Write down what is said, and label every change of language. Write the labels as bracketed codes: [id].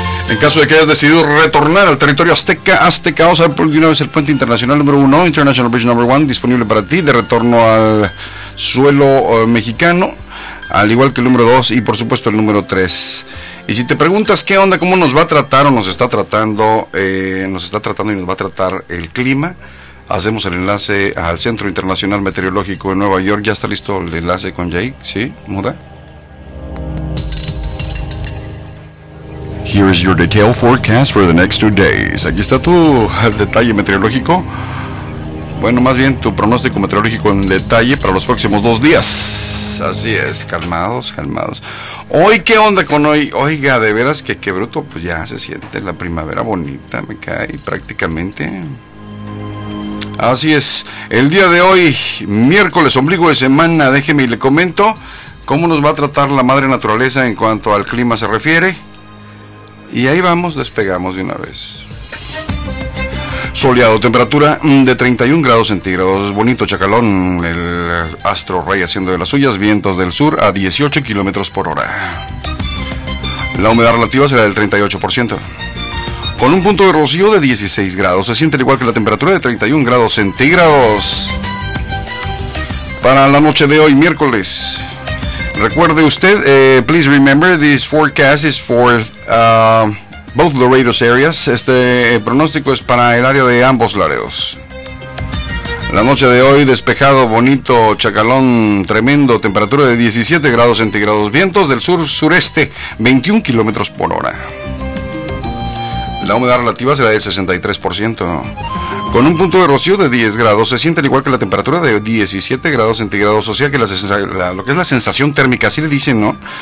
[es] En caso de que hayas decidido retornar al territorio azteca, vamos a ver por una vez el puente internacional número 1, [en] International Bridge number 1, [es] disponible para ti de retorno al suelo mexicano, al igual que el número 2 y por supuesto el número 3. Y si te preguntas qué onda, cómo nos va a tratar o nos está tratando y nos va a tratar el clima, hacemos el enlace al Centro Internacional Meteorológico de Nueva York. Ya está listo el enlace con Jake, ¿sí? Muda. [en] Here is your detailed forecast for the next 2 days. [es] Aquí está tu detalle meteorológico. Bueno, más bien tu pronóstico meteorológico en detalle para los próximos 2 días. Así es, calmados, calmados. Hoy, ¿qué onda con hoy? Oiga, de veras que qué bruto. Pues ya se siente la primavera bonita, me cae prácticamente. Así es, el día de hoy, miércoles, ombligo de semana. Déjeme y le comento cómo nos va a tratar la madre naturaleza en cuanto al clima se refiere. Y ahí vamos, despegamos de una vez. Soleado, temperatura de 31 grados centígrados. Bonito chacalón, el astro rey haciendo de las suyas. Vientos del sur a 18 kilómetros por hora. La humedad relativa será del 38%. Con un punto de rocío de 16 grados. Se siente igual que la temperatura de 31 grados centígrados. Para la noche de hoy, miércoles. Recuerde usted, [en] please remember, this forecast is for both Laredo's areas. [es] Este pronóstico es para el área de ambos Laredos. La noche de hoy, despejado, bonito, chacalón, tremendo, temperatura de 17 grados centígrados, vientos del sur sureste, 21 kilómetros por hora. La humedad relativa será de 63%. Con un punto de rocío de 10 grados, se siente al igual que la temperatura de 17 grados centígrados, o sea que lo que es la sensación térmica, así le dicen, ¿no?